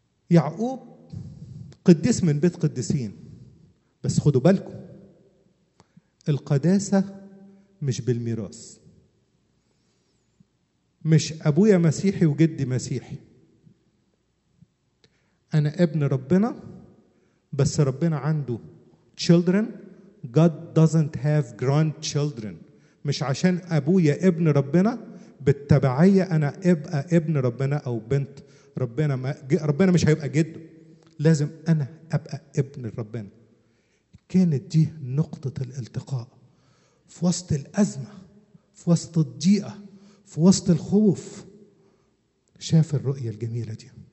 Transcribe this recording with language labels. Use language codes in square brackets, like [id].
[ar] يعقوب قديس من بيت قديسين، بس خدوا بالكم القداسة مش بالميراث، مش أبويا مسيحي وجدي مسيحي، أنا ابن ربنا، بس ربنا عنده [en] children. God doesn't have grandchildren. [ar] مش عشان أبويا ابن ربنا بالتبعية أنا أبقى ابن ربنا أو بنت ربنا، ما ربنا مش هيبقى جده، لازم أنا أبقى ابن ربنا. كانت دي نقطة الالتقاء في وسط الأزمة، في وسط الضيقة، في وسط الخوف، شاف الرؤية الجميلة دي.